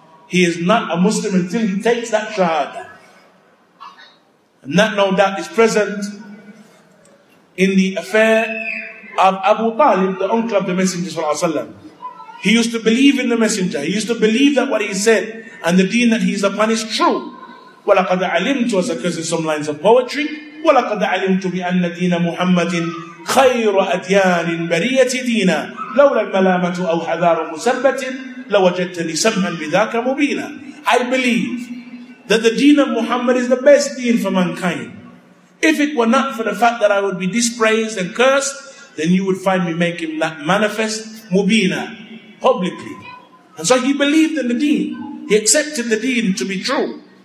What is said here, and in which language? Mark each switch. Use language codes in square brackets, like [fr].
[en] He is not a Muslim until he takes that shahada. And that, no doubt, is present in the affair of Abu Talib, the uncle of the Messenger sallallahu alaihi wasallam. He used to believe in the Messenger. He used to believe that what he said and the deen that he is upon is true. [ar] وَلَقَدْ عَلِمْتُ, [en] as occurs in some lines of poetry, [ar] وَلَقَدْ عَلِمْتُ بِأَنَّ دِينَ مُحَمَّدٍ خَيْرُ أَدْيَانٍ بَرِيَّةِ دِينَ لَوْلَا الْمَلَامَةُ أَوْ حَذَارٌ مُسَبَّتٍ لَوَجَدْتَنِي سَمْحًا بِذَاكَ مُبِينًا. [en] I believe that the deen of Muhammad is the best deen for mankind. If it were not for the fact that I would be dispraised and cursed, then you would find me making that manifest mubina, publicly. And so he believed in the deen. He accepted the deen to be true.